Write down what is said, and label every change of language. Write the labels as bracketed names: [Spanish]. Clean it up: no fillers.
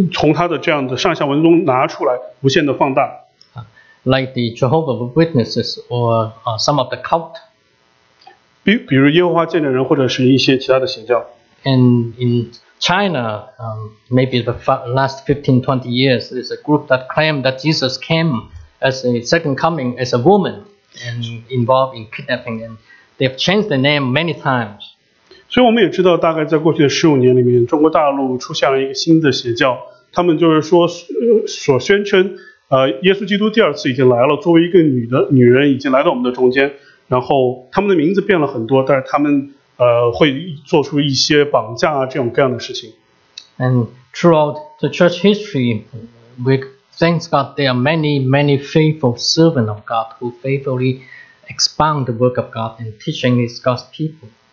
[Chinese] 也有一些其他人就说把圣经的某一段经文从他的这样的上下文中拿出来，无限的放大。 [English] Like the Jehovah's Witnesses or some of the cult. [Chinese] 比如耶和华见证人或者是一些其他的邪教。 [English] And in China, maybe the last 15, 20 years, there's a group that claimed that Jesus came as a second coming as a woman and involved in kidnapping, and they've changed the name many times. [Chinese] 所以我们也知道大概在过去的15年里面，中国大陆出现了一个新的邪教，他们就是说所宣称耶稣基督第二次已经来了，作为一个女的，女人已经来到我们的中间。然后他们的名字变了很多，但是他们会做出一些绑架啊这种各样的事情。And [English] throughout the church history, we thank God there are many, many faithful servants of God who faithfully expound the work of God and teaching His God's people.